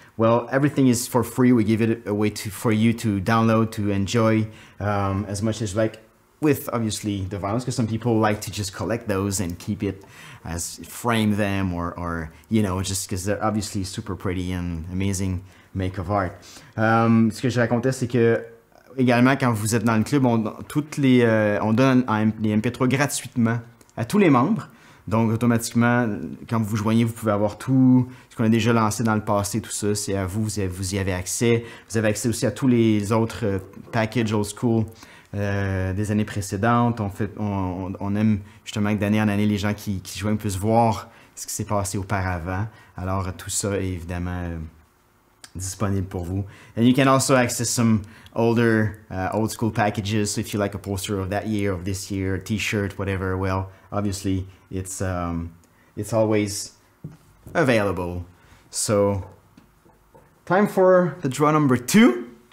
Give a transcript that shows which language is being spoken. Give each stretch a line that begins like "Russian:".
English: Well, everything is for free. We give it away for you to download, to enjoy as much as like, with obviously the vinyls, because some people like to just collect those and keep it as frame them or you know, just because they're obviously super pretty and amazing make of art.
French: Ce que je racontais, c'est que également quand vous êtes dans le club, on donne les MP3 gratuitement à tous les membres. Donc automatiquement, quand vous vous joignez, vous pouvez avoir tout ce qu'on a déjà lancé dans le passé, tout ça, c'est à vous, vous y avez accès. Vous avez accès aussi à tous les autres packages old school des années précédentes. On aime justement que d'année en année, les gens qui joignent puissent voir ce qui s'est passé auparavant. Alors tout ça est évidemment disponible pour vous.
English: And you can also access some older, old school packages if you like a poster of that year, of this year, t-shirt, whatever. Well, obviously, it's always available. So, time for the draw number two.